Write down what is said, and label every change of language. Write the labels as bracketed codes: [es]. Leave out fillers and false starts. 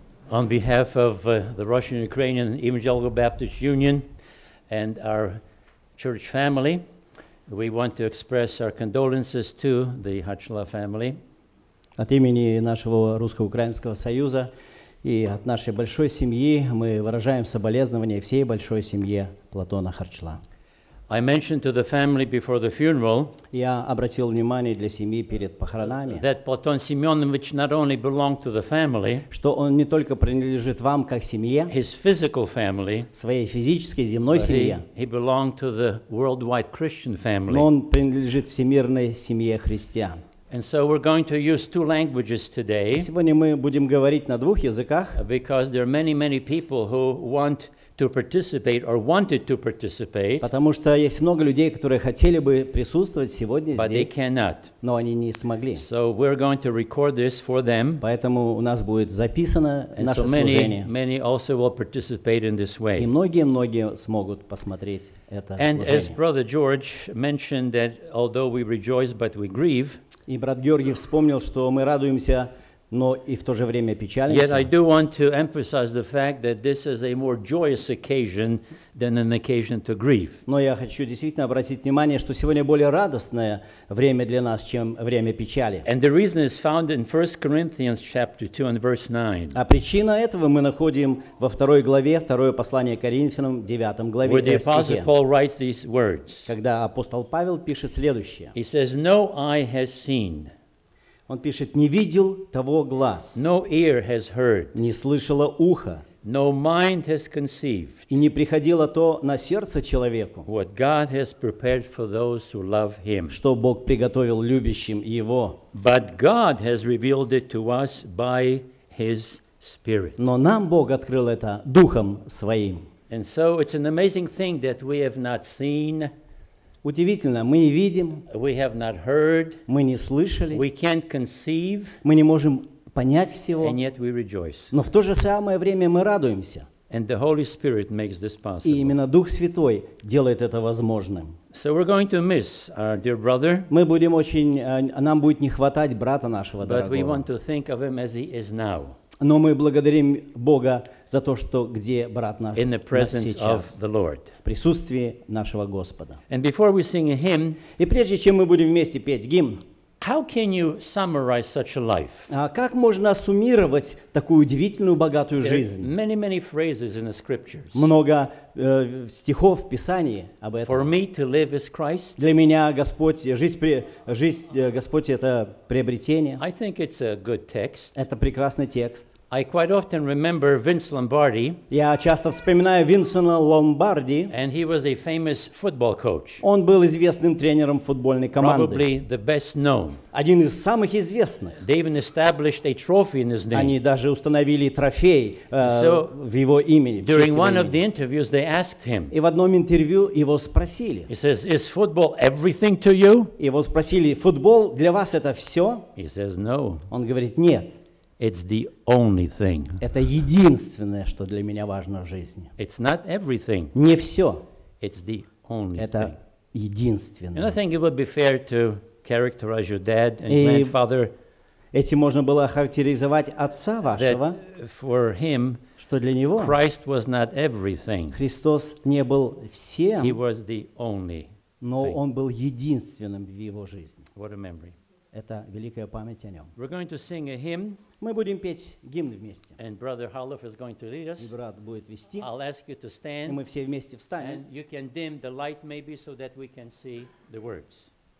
[en] On behalf of the Russian-Ukrainian Evangelical Baptist Union and our church family, we want to express our condolences to the Hachla family. [ru] От имени нашего русско-украинского союза и от нашей большой семьи мы выражаем соболезнования всей большой семье Платона Харчла. [en] I mentioned to the family before the funeral. [ru] Я обратил внимание для семьи перед похоронами. [en] That Platon Semyonovich not only belonged to the family. [ru] Что он не только принадлежит вам как семье. [en] His physical family. [ru] Своей физической земной семье. [en] He belonged to the worldwide Christian family. [ru] Но он принадлежит всемирной семье христиан. [en] And so we're going to use two languages today. [ru] Сегодня мы будем говорить на двух языках. [en] Because there are many, many people who want to participate or wanted to participate. [ru] Потому что есть много людей, которые хотели бы присутствовать сегодня [en] but [ru] здесь. [en] But they cannot. [ru] Но они не смогли. [en] So we're going to record this for them. [ru] Поэтому у нас будет записано [en] and [ru] наше [en] so [ru] служение. [en] And many also will participate in this way. [ru] И многие смогут посмотреть это [en] and [ru] служение. [en] As Brother George mentioned that although we rejoice but we grieve. [ru] И брат Георгий вспомнил, что мы радуемся, но и в то же время печалимся. [en] Yet I do want to emphasize the fact that this is a more joyous occasion than an occasion to grieve. [ru] Но я хочу действительно обратить внимание, что сегодня более радостное время для нас, чем время печали. [en] And the reason is found in 1 Corinthians chapter 2 and verse 9. [ru] А причина этого мы находим во второй главе, второе послание Коринфянам, 9 главе. [en] Where the apostle Paul writes these words. [ru] Когда апостол Павел пишет следующее. [en] He says, "No eye has seen." [ru] Он пишет: не видел того глаз. [en] No ear has heard. [ru] Не слышало ухо. [en] No mind has conceived. [ru] И не приходило то на сердце человеку. [en] What God has prepared for those who love Him. [ru] Что Бог приготовил любящим Его. [en] But God has revealed it to us by His Spirit. [ru] Но нам Бог открыл это Духом Своим. [en] And so it's an amazing thing that we have not seen. [ru] Удивительно, мы не видим. [en] We have not heard. [ru] Мы не слышали. [en] We can't conceive. [ru] Мы не можем понять всего. [en] And yet we rejoice. [ru] Но в то же самое время мы радуемся. [en] And the Holy Spirit makes this possible. [ru] И именно Дух Святой делает это возможным. [en] So we're going to miss our dear brother. [ru] Мы будем очень, нам будет не хватать брата нашего дорогого. [en] But we want to think of him as he is now. [ru] Но мы благодарим Бога за то, что где брат наш сейчас, в присутствии нашего Господа. [en] And before we sing a hymn, [ru] и прежде чем мы будем вместе петь гимн, [en] how can you summarize such a life? [ru] Как можно суммировать такую удивительную, богатую жизнь? [en] There are many, many phrases in the scriptures. [ru] Много стихов в Писании об этом. [en] For me to live is Christ. [ru] Для меня Господь, жизнь Господь – это приобретение. [en] I think it's a good text. [ru] Это прекрасный текст. [en] I quite often remember Vince Lombardi. [ru] Я часто вспоминаю Винсента Ломбарди. [en] And he was a famous football coach. [ru] Он был известным тренером футбольной команды. [en] Probably the best known. [ru] Один из самых известных. [en] They even established a trophy in his name. [ru] Они даже установили трофей в его имени. [en] During one of the interviews, they asked him. [ru] И в одном интервью его спросили. [en] He says, "Is football everything to you?" [ru] Его спросили: "Футбол для вас это все?" [en] He says, "No." [ru] Он говорит: "Нет." [en] It's the only thing. [ru] Это единственное, что для меня важно в жизни. [en] It's not everything. [ru] Не все. [en] It's the only [ru] Это [en] thing. [ru] Единственное. [en] And I think it would be fair to characterize your dad and grandfather. [ru] Этим можно было охарактеризовать отца вашего. [en] For him, [ru] что для него, [en] Christ was not everything. [ru] Христос не был всем. [en] He was the only thing. [ru] Но он был единственным в его жизни. [en] What a memory. [ru] Это великая память о нем. [en] We're going to sing a hymn, [ru] мы будем петь гимн вместе. [en] And brother Harlow is going to lead us. [ru] И брат будет вести. [en] I'll ask you to stand, [ru] и мы все вместе встанем. [en] And you can dim the light maybe so that we can see the words.